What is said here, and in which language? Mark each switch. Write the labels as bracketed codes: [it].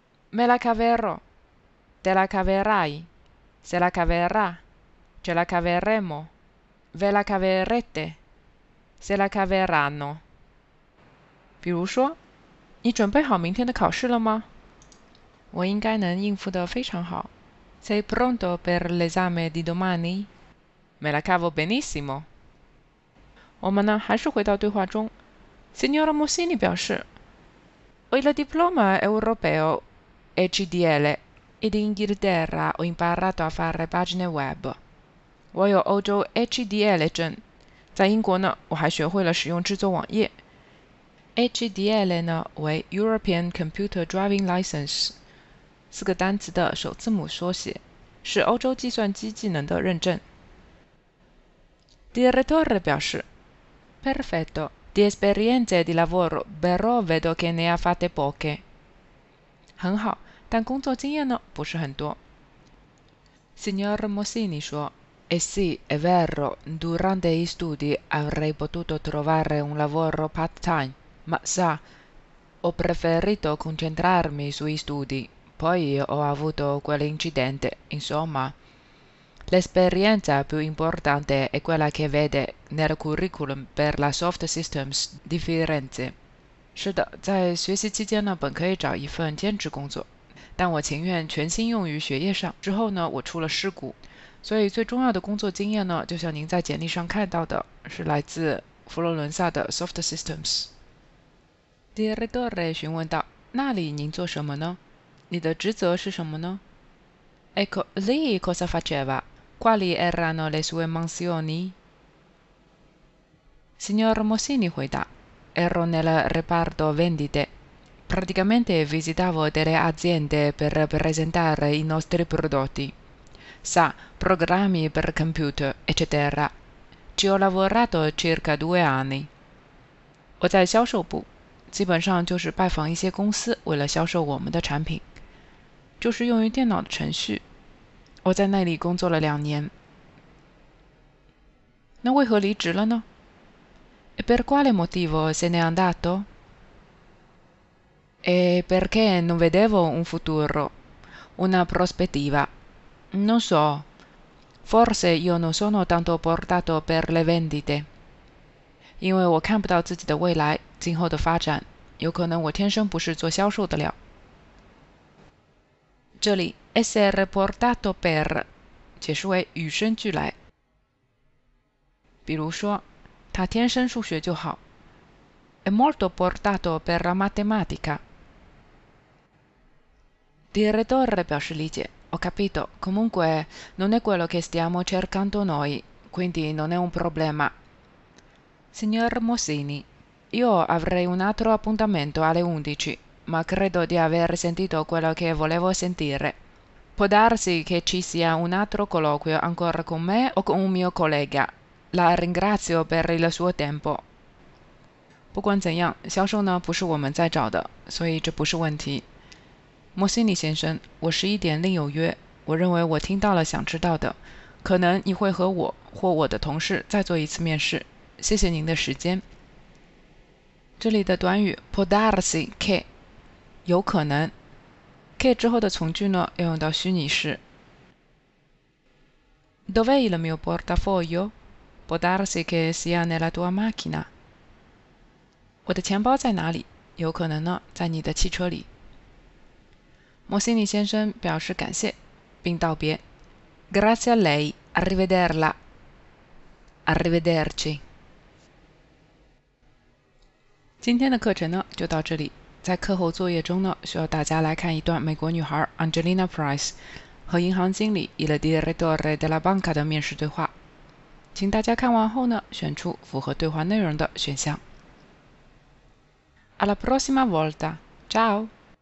[it] me la caverò, te la caverai, se la caverà, ce la caveremo, ve la caverete, se la caveranno. [zh] 比如说，你准备好明天的考试了吗？我应该能应付得非常好。 [it] Sei pronto per l'esame di domani? Me la cavo benissimo. [zh] 我们呢还是回到对话中。 Signora Mosini 表示 [it] Ho il diploma europeo HDL ed in Inghilterra ho imparato a fare pagine web. [zh] 我有欧洲 HDL 证，在英国呢我还学会了使用制作网页。 HDL 呢为 European Computer Driving License。四个单词的首字母缩写，是欧洲计算机技能的认证。 Direttore 表示 [it] ：“Perfetto, di esperienze di lavoro, però vedo che ne ha fatte poche。” [zh] 很好，但工作经验呢不是很多。 [it] Signor Mosini 说 ：“E sì, è vero. Durante i studi avrei potuto trovare un lavoro part-time, ma sa, ho preferito concentrarmi sui studi.” Poi ho avuto quell'incidente. Insomma, l'esperienza più importante è quella che vede nel curriculum per la Soft Systems di Firenze. [zh] 是的，在学习期间呢，本可以找一份兼职工作，但我情愿全心用于学业上。之后呢，我出了事故，所以最重要的工作经验呢，就像您在简历上看到的，是来自佛罗伦萨的 Soft Systems。 Direttore 询问道：“那里您做什么呢？”你的职责是什么呢 [it] Ecco, lei cosa faceva? Quali erano le sue mansioni? Signor Mosini Huida, ero nel reparto vendite. Praticamente visitavo delle aziende per presentare i nostri prodotti. Sa, programmi per computer, eccetera. Ci ho lavorato circa 2 anni. [zh] 我在销售部，基本上就是拜访一些公司，为了销售我们的产品，就是用于电脑的程序。我在那里工作了2年。那为何离职了呢？ [it] E per quale motivo se n'è andato? E perché non vedevo un futuro, una prospettiva. Non so, forse io non sono tanto portato per le vendite. [zh] 因为我看不到自己的未来，今后的发展，有可能我天生不是做销售的料。这里 [it] essere portato per [zh] 解释为与生俱来。比如说他天生数学就好。 [it] È molto portato per la matematica. [zh] Direttore 表示理解。 [it] Ho capito. Comunque, non è quello che stiamo cercando noi, quindi non è un problema. Signor Mosini, io avrei un altro appuntamento alle 11, ma credo di aver sentito quello che volevo sentire. Può darsi che ci sia un altro colloquio ancora con me o con un mio collega. La ringrazio per il suo tempo. [zh] 不管怎样，销售呢不是我们在找的，所以这不是问题。莫西尼先生，我11点另有约。我认为我听到了想知道的，可能你会和我或我的同事再做一次面试。谢谢您的时间。这里的短语 [it] può darsi che [zh] 有可能 che 之后的从句呢要用到虚拟式。 [it] Dov'è il mio portafoglio? Può darsi che sia nella tua macchina. [zh] 我的钱包在哪里？有可能呢，在你的汽车里。莫西尼先生表示感谢，并道别。 [it] Grazie a lei, arrivederla. Arrivederci. [zh] 今天的课程呢，就到这里。在课后作业中呢，需要大家来看一段美国女孩 Angelina Price 和银行经理 [it] il direttore della banca [zh] 的面试对话。请大家看完后呢，选出符合对话内容的选项。 [it] Alla prossima volta, ciao!